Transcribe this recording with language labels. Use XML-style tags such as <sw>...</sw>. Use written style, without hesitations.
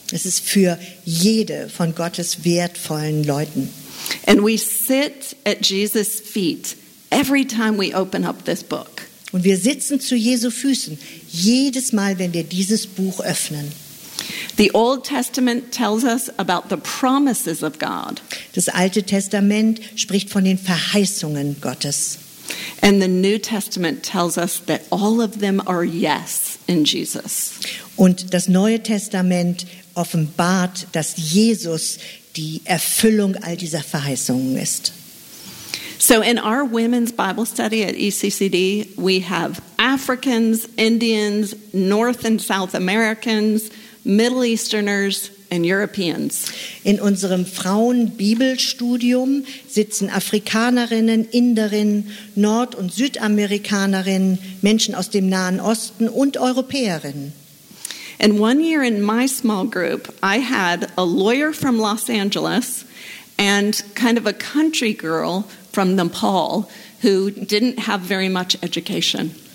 <de>Es ist für jede von Gottes wertvollen Leuten.</de> <en>And we sit at Jesus' feet every time we open up this book.</en> <de>Und wir sitzen zu Jesu Füßen jedes Mal, wenn wir dieses Buch öffnen.</de> <en>The Old Testament tells us about the promises of God.</en> <de>Das Alte Testament spricht von den Verheißungen Gottes.</de> <en>And the New Testament tells us that all of them are yes in Jesus.</en> <de>Und das Neue Testament offenbart, dass Jesus die Erfüllung all dieser Verheißungen ist.</de> <en>So in our women's Bible study at ECCD, we have Africans, Indians, North and South Americans, Middle Easterners and Europeans.</en> <de>In unserem Frauenbibelstudium sitzen Afrikanerinnen, Inderinnen, Nord- und Südamerikanerinnen, Menschen aus dem Nahen Osten und Europäerinnen.</de> <en>And one year in my small group, I had a lawyer from Los Angeles and kind of a country girl from Nepal who didn't have very much education.</en>